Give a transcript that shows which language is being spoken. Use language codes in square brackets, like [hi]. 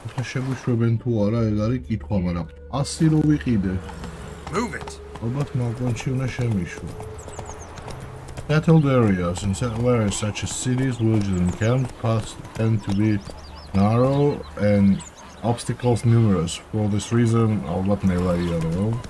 [ka] შემოშვებენ თუ არა, ეგ არის კითხვა, მაგრამ ასი რო ვიყიდე. ალბათ მაგონში უნდა შემიშვა. [en] Ტერიტორიას in somewhere such a city is large and camp paths tend to be narrow and obstacles numerous. For this reason, [ka] ალბათ ნელაია, რა.